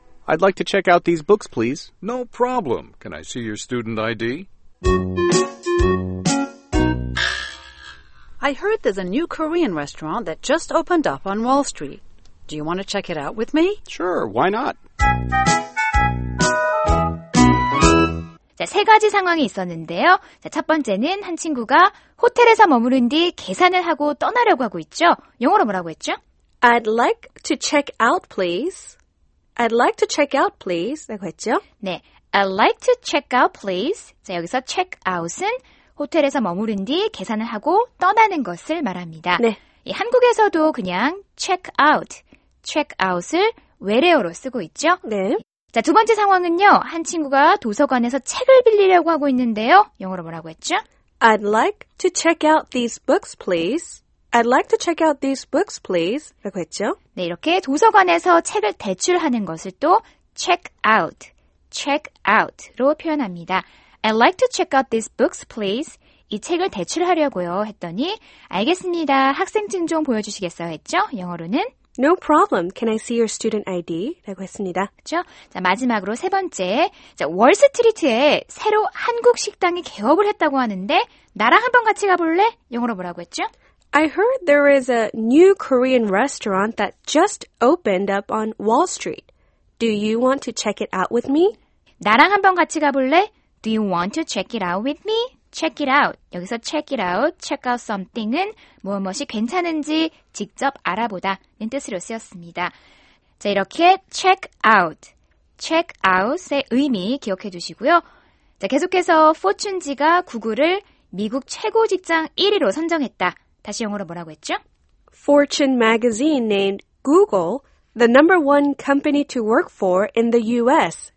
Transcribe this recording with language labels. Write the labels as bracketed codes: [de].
[en] I'd like to check out these books, please. No problem. Can I see your student ID? I heard there's a new Korean restaurant that just opened up on Wall Street. Do you want to check it out with me? Sure, why not? [ko] 자, 세 가지 상황이 있었는데요. 자, 첫 번째는 한 친구가 호텔에서 머무른 뒤 계산을 하고 떠나려고 하고 있죠. 영어로 뭐라고 했죠? [en] I'd like to check out, please. I'd like to check out, please. [ko] 라고 했죠? 네, [en] I'd like to check out, please. [ko] 자, 여기서 check out은 호텔에서 머무른 뒤 계산을 하고 떠나는 것을 말합니다. 네. 예, 한국에서도 그냥 check out, check out을 외래어로 쓰고 있죠? 네. 자, 두 번째 상황은요. 한 친구가 도서관에서 책을 빌리려고 하고 있는데요. 영어로 뭐라고 했죠? [en] I'd like to check out these books, please. I'd like to check out these books, please. [ko] 라고 했죠? 네, 이렇게 도서관에서 책을 대출하는 것을 또 check out, check out로 표현합니다. [en] I'd like to check out these books, please. [ko] 이 책을 대출하려고요. 했더니 알겠습니다. 학생증 좀 보여주시겠어요? 했죠? 영어로는? [en] No problem. Can I see your student ID? [ko] 라고 했습니다. 그렇죠? 자, 마지막으로 세 번째. 자, 월스트리트에 새로 한국 식당이 개업을 했다고 하는데 나랑 한번 같이 가볼래? 영어로 뭐라고 했죠? [en] I heard there is a new Korean restaurant that just opened up on Wall Street. Do you want to check it out with me? [ko] 나랑 한번 같이 가볼래? [en] Do you want to check it out with me? Check it out. [ko] 여기서 check it out, check out something은 무엇이 괜찮은지 직접 알아보다는 뜻으로 쓰였습니다. 자, 이렇게 check out, check out의 의미 기억해 주시고요. 자, 계속해서 포춘지가 구글을 미국 최고 직장 1위로 선정했다. 다시 영어로 뭐라고 했죠? [en] Fortune magazine named Google the number one company to work for in the U.S.